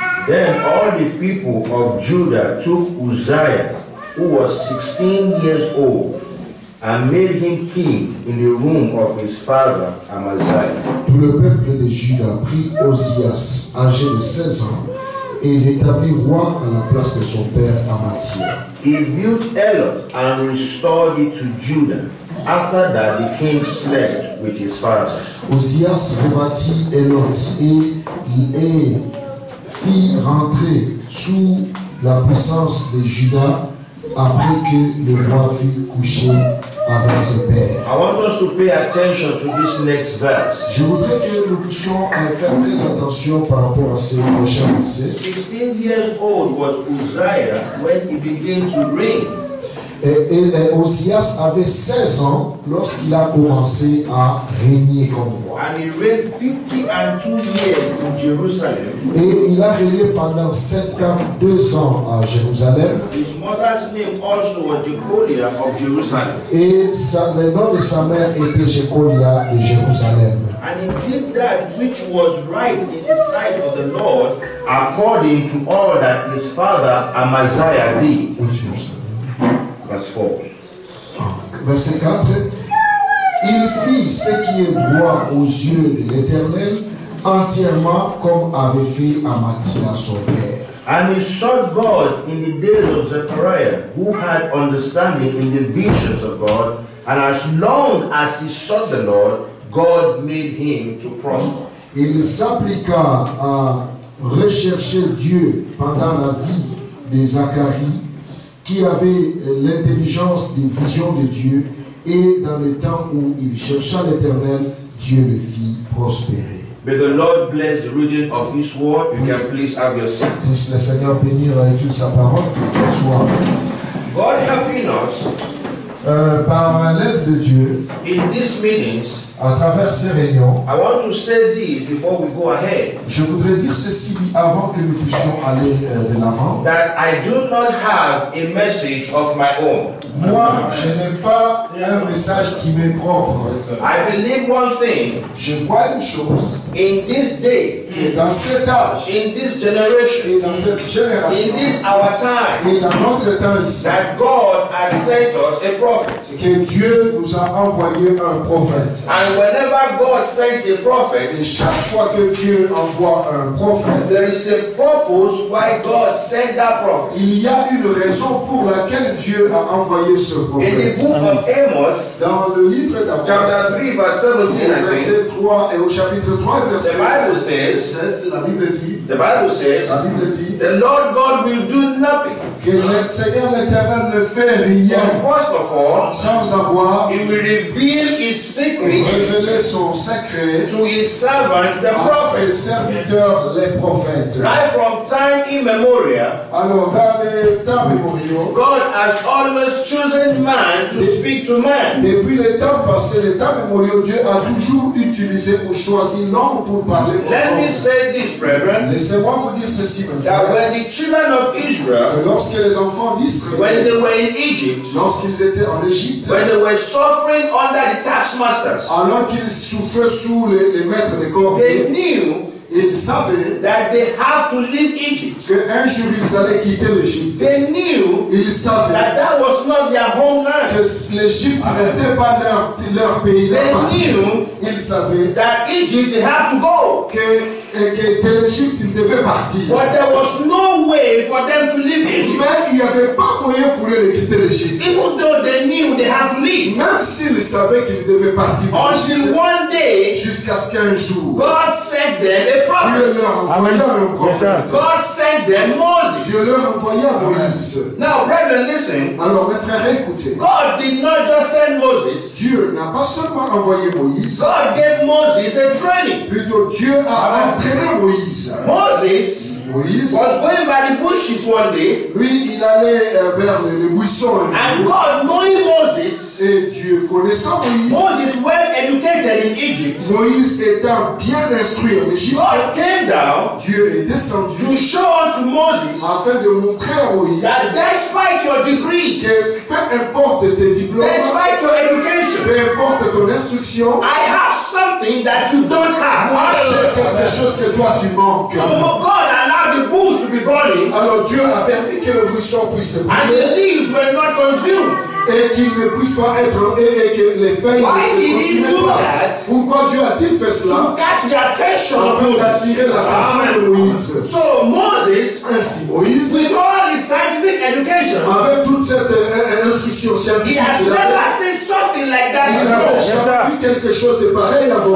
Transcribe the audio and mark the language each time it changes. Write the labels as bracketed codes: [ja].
[en] then all the people of Judah took Uzziah, who was 16 years old, and made him king in the room of his father Amaziah. [fr] Tout le peuple de Juda prit Ozias, âgé de 16 ans, et l'établit roi à la place de son père Amaziah. [en] He built Eloth and restored it to Judah. After that, the king slept with his fathers. [fr] Ozias rebâtit Eloth et fit rentrer sous la puissance de Juda après que le roi fut couché. [en] I want us to pay attention to this next verse. [fr] Je voudrais que nous puissions faire très attention par rapport à ce prochain verset. [en] 16 years old was Uzziah when he began to reign. [fr] Et Ozias avait 16 ans lorsqu'il a commencé à régner comme roi. [en] And he reigned 52 years in Jerusalem. [fr] Et il a régné pendant 52 ans à Jérusalem. [en] His mother's name also was Jecolia of Jerusalem. [fr] Et le nom de sa mère était Jecolia de Jérusalem. [en] And he did that which was right in the sight of the Lord, according to all that his father Amaziah did. [fr] Verset 4. Il fit ce qui est droit aux yeux de l'Éternel entièrement comme avait fait Amaziah son père. [en] And he sought God in the days of Zechariah, who had understanding in the visions of God, and as long as he sought the Lord, God made him to prosper. [fr] Il s'appliqua à rechercher Dieu pendant la vie de Zacharie, qui avait l'intelligence des visions de Dieu, et dans le temps où il chercha l'Éternel, Dieu le fit prospérer. [en] May the Lord bless the reading of His word. You can please have your seat. [fr] Puisse le Seigneur bénir la lecture de sa parole. Que je sois. [en] God helping us. [fr] Par l'aide de Dieu. [en] In these meetings. [fr] À travers ces réunions. [en] I want to say this before we go ahead. [fr] Je voudrais dire ceci avant que nous puissions aller de l'avant. [en] That I do not have a message of my own. [fr] Moi, je n'ai pas un message qui m'est propre. [en] I believe one thing. [fr] Je crois une chose. [en] In this day. [fr] Et dans cet âge. [en] In this generation. [fr] Et dans cette génération. [en] In this our time. [fr] Et dans notre temps ici. [en] That God has sent us a prophet. [fr] Que Dieu nous a envoyé un prophète. [en] And whenever God sends a prophet, [fr] et chaque fois que Dieu envoie un prophète, [en] there is a purpose why God sent that prophet. [fr] Il y a une raison pour laquelle Dieu a envoyé ce prophète. [en] In the book of Amos, [fr] dans le livre d'Amos, [en] chapter 3, verse 17, [fr] au verset 3 et au chapitre 3, verset 7, [en] the Bible says, [fr] la Bible dit, [en] the Bible says, [fr] la Bible dit, [en] the Lord God will do nothing. [fr] Que le Seigneur l'Éternel ne fait rien. [en] But first of all, [fr] sans avoir, [en] he will reveal his secret. [fr] Révéler son secret [en] to his servants, the prophets. [fr] À ses serviteurs, les prophètes. [en] Right from time immemorial, [fr] alors, dans les temps mémoriaux, [en] God has always chosen man to speak to man. [fr] Depuis le temps passé, les temps mémoriaux, Dieu a toujours utilisé ou choisi l'homme pour parler. [en] Let me say this, brethren. [fr] Laissez-moi vous dire ceci, mes frères. [en] That when the children of Israel, [fr] lorsque les enfants d'Israël, lorsqu'ils étaient en Égypte, [en] when they were suffering under the tax masters, [fr] alors qu'ils souffraient sous les maîtres des corvées, ils savaient [en] that they have to leave Egypt. [fr] Que un jour ils allaient quitter l'Égypte. [en] They knew [fr] ils savaient [en] that that was not their homeland. [fr] Que l'Égypte n'était pas leur pays. [en] They knew [fr] ils savaient [en] that Egypt they have to go. [fr] Que l'Égypte ils devaient partir. [en] But there was no way for them to leave Egypt. [fr] Mais il n'y avait pas moyen pour eux de quitter l'Égypte. [en] Even though they knew they had to leave. [fr] Même s'ils savaient qu'ils devaient partir. [en] Until one day, [fr] jusqu'à ce qu'un jour, [en] God sent them. God sent them Moses. [fr] Dieu leur envoya Moïse. [en] Now, brethren, listen. [fr] Alors, mes frères, écoutez. [en] God did not just send Moses. [fr] Dieu n'a pas seulement envoyé Moïse. [en] God gave Moses a training. [fr] Plutôt, Dieu a entraîné Moïse. [en] Moses was going by the bushes one day. [fr] Lui, il allait vers les buissons. [en] And God, knowing Moses. [fr] Et Dieu connaissant Moïse. [en] Moses well educated in Egypt. [fr] Moïse étant bien instruit en Égypte. [en] God came down. [fr] Dieu est descendu. [en] To show unto Moses. [fr] Afin de montrer à Moïse. [en] That despite your degree. [fr] Que peu importe tes diplômes. [en] Despite your education. [fr] Peu importe ton instruction. [en] I have something that you don't have. [fr] Moi, j'ai quelque chose que toi tu manques. [en] So God allowed the bush to be burning. [fr] Alors Dieu a permis que le buisson puisse brûler. [en] And the leaves were not consumed. [fr] Et qu'il ne puisse pas être aimé, que les feuilles ne se consument pas. Pourquoi Dieu a-t-il fait cela? [en] To catch the attention of Moses. [fr] Afin d'attirer l'attention de Moïse. [en] So Moses, [fr] ainsi Moïse, [en] with all his scientific education, [fr] avec toute cette instruction scientifique, [en] he has never seen something like that before. [fr] Il n'a jamais vu quelque chose de pareil avant.